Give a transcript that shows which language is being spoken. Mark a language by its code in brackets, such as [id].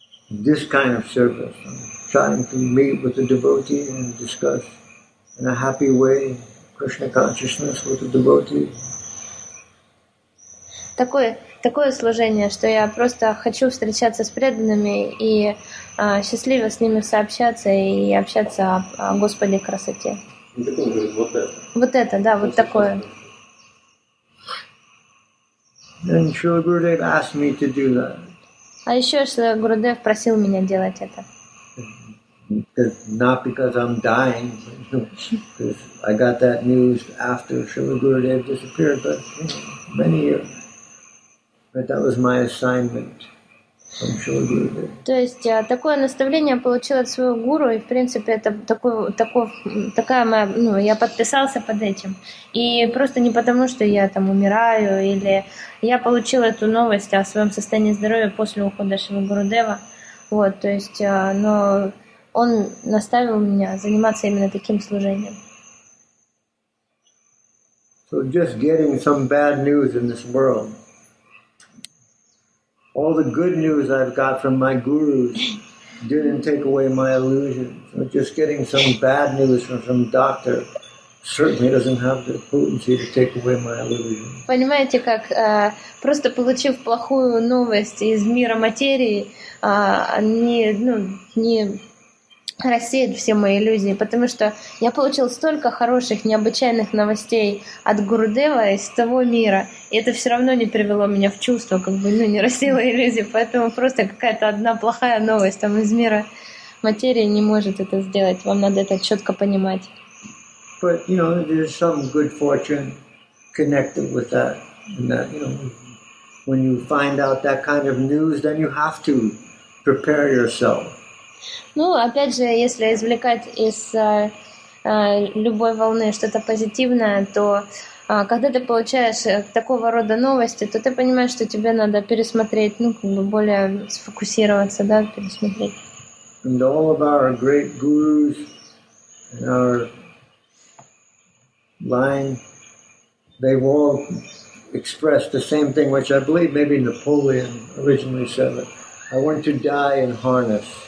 [en] this kind of service, trying to meet with the devotee and discuss in a happy way Krishna consciousness with the devotee. [ru] Такое служение, что я просто хочу встречаться с преданными и счастливо с ними сообщаться и общаться о Господе красоте. Вот это. [en] And Srila Gurudev asked me to do that. [ru] А еще Шрила Гурудев просил меня делать это. [en] Not because I'm dying, because I got that news after Srila Gurudev disappeared, but many years. But that was my assignment from Srila Gurudev. [ru] То есть такое наставление получил от своего гуру, и в принципе это такая моя, ну, я подписался под этим. И просто не потому, что я там умираю, или я получил эту новость о своем состоянии здоровья после ухода Шрила Гурудева. Вот, то есть, но он наставил меня заниматься именно таким служением. [en] So just getting some bad news in this world. All the good news I've got from my gurus didn't take away my illusions. But just getting some bad news from some doctor certainly doesn't have the potency to take away my illusions. [ru] Понимаете, как просто получив плохую новость из мира материи, не рассеет все мои иллюзии, потому что я получил столько хороших, необычайных новостей от Гурудева из того мира, и это все равно не привело меня в чувство, как бы, не рассеяло иллюзии, поэтому просто какая-то одна плохая новость там из мира материи не может это сделать. Вам надо это четко понимать. [en] But, you know, there's some good fortune connected with that, and that, you know, when you find out that kind of news, then you have to prepare yourself. [ru] Ну, опять же, если извлекать из любой волны что-то позитивное, то когда ты получаешь такого рода новости, то ты понимаешь, что тебе надо пересмотреть, ну, как бы более сфокусироваться, да, пересмотреть. [en] And all of our great gurus and our line, they all expressed the same thing, which I believe maybe Napoleon originally said, that I want to die in harness.